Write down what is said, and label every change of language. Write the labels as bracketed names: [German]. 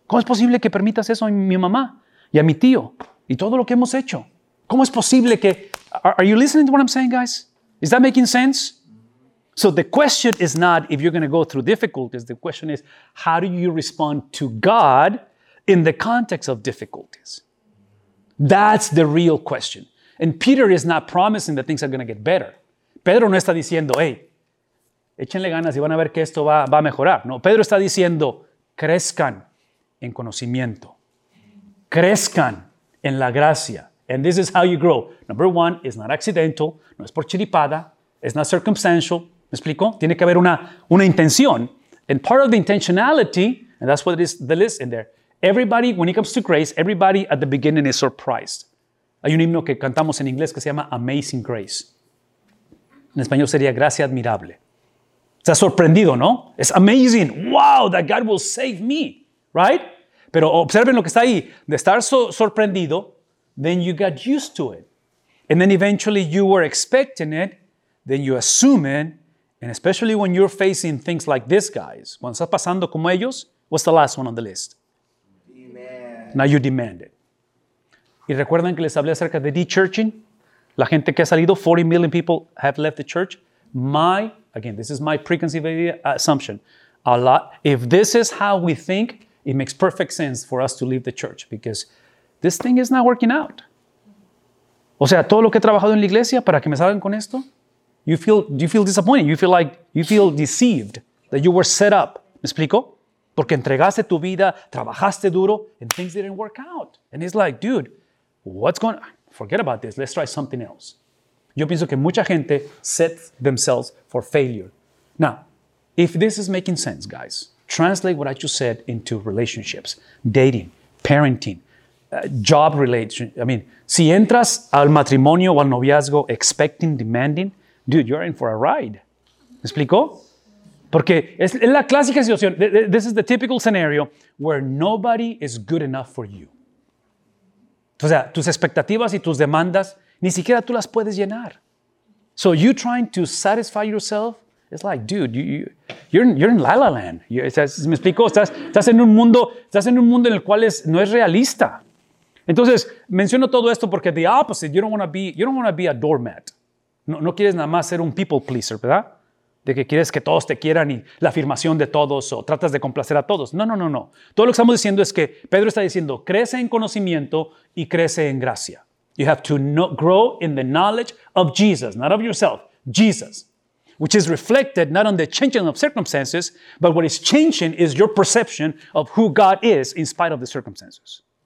[Spanish] ¿Cómo es posible que permitas eso a mi mamá y a mi tío y todo lo que hemos hecho? ¿Cómo es posible que... [English] Are you listening to what I'm saying, guys? Is that making sense? So the question is not if you're going to go through difficulties. The question is, how do you respond to God in the context of difficulties? That's the real question. And Peter is not promising that things are going to get better. [Spanish] Pedro no está diciendo, hey, échenle ganas y van a ver que esto va a mejorar. No, Pedro está diciendo, crezcan en conocimiento. Crezcan en la gracia. [English] And this is how you grow. Number one, it's not accidental. [Spanish] No es por chiripada. [English] It's not circumstantial. [Spanish] ¿Me explico? Tiene que haber una intención. [English] And part of the intentionality, and that's what it is, the list in there. Everybody, when it comes to grace, everybody at the beginning is surprised. [Spanish] Hay un himno que cantamos en inglés que se llama Amazing Grace. En español sería Gracia Admirable. Está sorprendido, ¿no? [English] It's amazing. Wow, that God will save me. Right? [Spanish] Pero observen lo que está ahí. De estar sorprendido, [English] then you got used to it. And then eventually you were expecting it, then you assume it. And especially when you're facing things like this, guys, [Spanish] cuando estás pasando como ellos, [English] what's the last one on the list? Demand. Now you demand it. [Spanish] ¿Y recuerdan que les hablé acerca de de-churching? La gente que ha salido, [English] 40 million people have left the church. Again, this is my preconceived assumption. A lot. If this is how we think, it makes perfect sense for us to leave the church because this thing is not working out. [Spanish] O sea, todo lo que he trabajado en la iglesia para que me salgan con esto. [English] You feel disappointed. You feel deceived that you were set up. [Spanish] ¿Me explico? Porque entregaste tu vida, trabajaste duro, [English] and things didn't work out. And it's like, dude, what's going on? Forget about this. Let's try something else. [Spanish] Yo pienso que mucha gente [English] sets themselves for failure. Now, if this is making sense, guys, translate what I just said into relationships, dating, parenting, job relationship. I mean, [Spanish] si entras al matrimonio o al noviazgo [English] expecting, demanding, dude, you're in for a ride. [Spanish] ¿Me explico? Porque es la clásica situación. [English] This is the typical scenario where nobody is good enough for you. [Spanish] O sea, tus expectativas y tus demandas, ni siquiera tú las puedes llenar. [English] So you trying to satisfy yourself, it's like, dude, you're in La La Land. [Spanish] ¿Me explico? Estás en un mundo en el cual no es realista. Entonces, menciono todo esto porque [English] the opposite, you don't want to be a doormat. [Spanish] No quieres nada más ser un people pleaser, ¿verdad? De que quieres que todos te quieran y la afirmación de todos o tratas de complacer a todos. No. Todo lo que estamos diciendo es que Pedro está diciendo, crece en conocimiento y crece en gracia. [English] You have to grow in the knowledge of Jesus, not of yourself, Jesus. Which is reflected not on the changing of circumstances, but what is changing is your perception of who God is in spite of the circumstances.